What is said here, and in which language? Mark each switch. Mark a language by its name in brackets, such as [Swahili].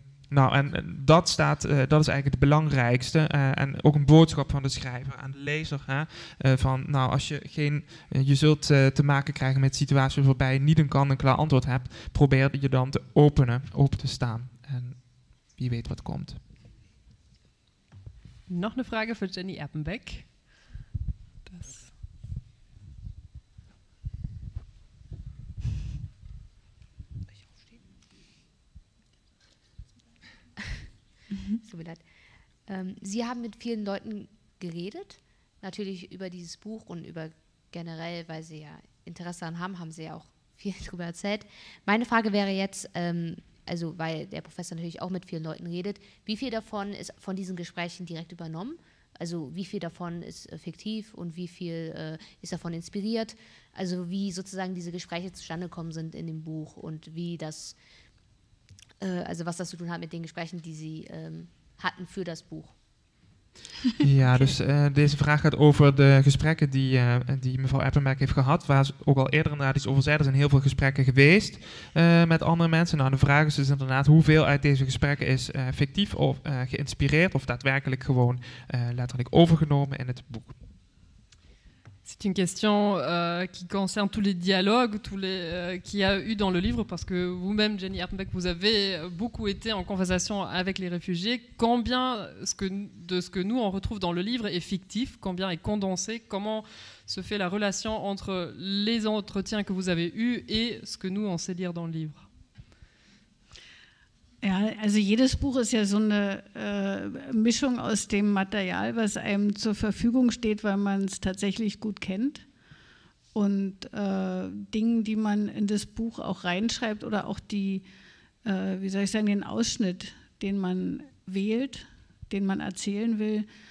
[Dutch] Nou, en dat staat, dat is eigenlijk het belangrijkste. En ook een boodschap van de schrijver aan de lezer. Hè, van, nou, als je geen, je zult te maken krijgen met situaties waarbij je niet een kant-en-klaar antwoord hebt, probeer je dan te openen, open te staan. En wie weet wat komt. [German] Noch eine Frage für Jenny Erpenbeck. Das. So, wie leid. Sie haben mit vielen Leuten geredet, natürlich über dieses Buch und über generell, weil Sie ja Interesse daran haben, haben Sie ja auch viel darüber erzählt. Meine Frage wäre jetzt, also weil der Professor natürlich auch mit vielen Leuten redet, wie viel davon ist von diesen Gesprächen direkt übernommen? Also wie viel davon ist fiktiv und wie viel ist davon inspiriert? Also wie sozusagen diese Gespräche zustande gekommen sind in dem Buch und wie das, also was das zu tun hat mit den Gesprächen, die sie hatten für das Buch. [Dutch] Ja, okay. Dus deze vraag gaat over de gesprekken die mevrouw Eppenberg heeft gehad, waar ze ook al eerder inderdaad iets over zei. Er zijn heel veel gesprekken geweest met andere mensen. Nou, de vraag is dus inderdaad hoeveel uit deze gesprekken is fictief of geïnspireerd of daadwerkelijk gewoon letterlijk overgenomen in het boek. [French] C'est une question qui concerne tous les dialogues, tous les qu'il y a eu dans le livre, parce que vous-même, Jenny Erpenbeck, vous avez beaucoup été en conversation avec les réfugiés. Combien de ce que nous on retrouve dans le livre est fictif? Combien est condensé? Comment se fait la relation entre les entretiens que vous avez eus et ce que nous on sait lire dans le livre? [German] Ja, also jedes Buch ist ja so eine Mischung aus dem Material, was einem zur Verfügung steht, weil man es tatsächlich gut kennt und Dingen, die man in das Buch auch reinschreibt oder auch die, wie soll ich sagen, den Ausschnitt, den man wählt, den man erzählen will.